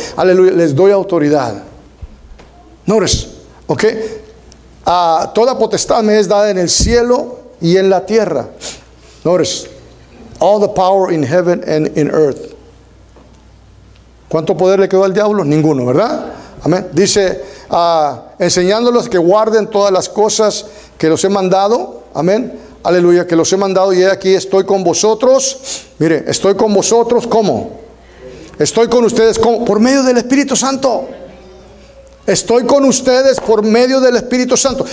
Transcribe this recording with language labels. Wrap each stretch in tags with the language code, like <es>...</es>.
<es>Aleluya, les doy autoridad. Notice, ¿ok? Toda potestad me es dada en el cielo y en la tierra.</es> <en>Notice, all the power in heaven and in earth.</en> <es>¿Cuánto poder le quedó al diablo? Ninguno, ¿verdad? Amén. Dice, enseñándolos que guarden todas las cosas que los he mandado. Amén. Aleluya, que los he mandado y aquí estoy con vosotros. Mire, estoy con vosotros, ¿cómo? Estoy con ustedes, ¿cómo? Por medio del Espíritu Santo. Estoy con ustedes por medio del Espíritu Santo.</es>